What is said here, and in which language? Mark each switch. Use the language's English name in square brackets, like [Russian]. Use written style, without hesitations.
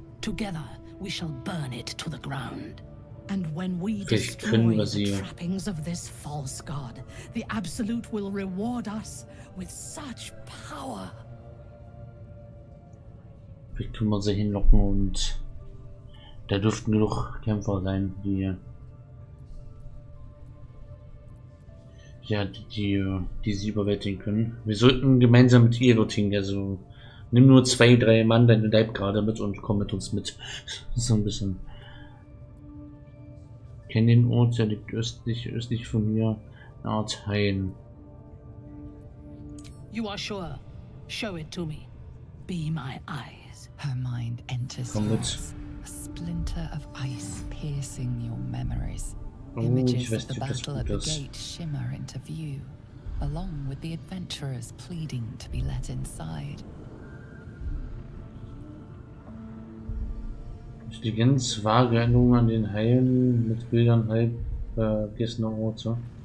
[English] Together we shall burn it to the ground. And when we destroy the trappings of this false god, the Absolute will reward us with such power. [German] Vielleicht können wir sie hinlocken und da dürften genug Kämpfer sein, die. Ja, die sie überwältigen können. Wir sollten gemeinsam mit ihr dorthin. Also nimm nur 2-3 Mann deine Leibgarde mit und komm mit uns mit. So ein bisschen. Kenn den Ort, der liegt östlich von mir. Eine Art Hain. [English] You are sure. Show it to me. Be my eyes. Her mind enters. [German] Komm mit. [English] A splinter of ice piercing your memories. Images of the battle at the gate shimmer into view, along with the adventurers pleading to be let inside. [German] Die ganz vage Erinnerung an den Heilen mit Bildern halb vergessener Orte.